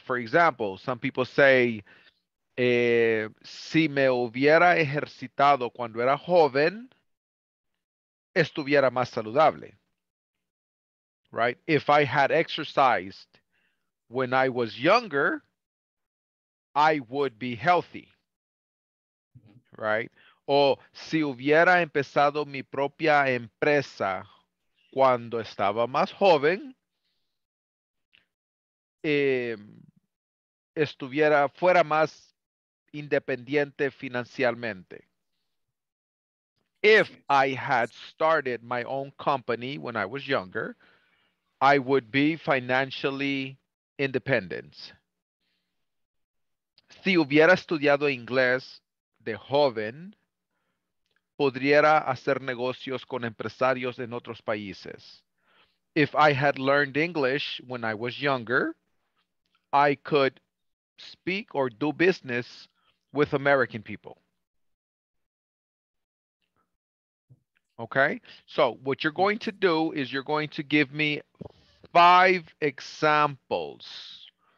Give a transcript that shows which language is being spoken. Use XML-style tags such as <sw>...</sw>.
<en>For example, some people say,</en> <es>si me hubiera ejercitado cuando era joven, estuviera más saludable, right?</es> <en>If I had exercised when I was younger, I would be healthy, right?</en> <es>O si hubiera empezado mi propia empresa cuando estaba más joven, fuera más independiente financieramente.</es> <en>If I had started my own company when I was younger, I would be financially independent.</en> <es>Si hubiera estudiado inglés de joven, pudiera hacer negocios con empresarios en otros países.</es> <en>If I had learned English when I was younger, I could speak or do business with American people. Okay, so what you're going to do is you're going to give me five examples.</en>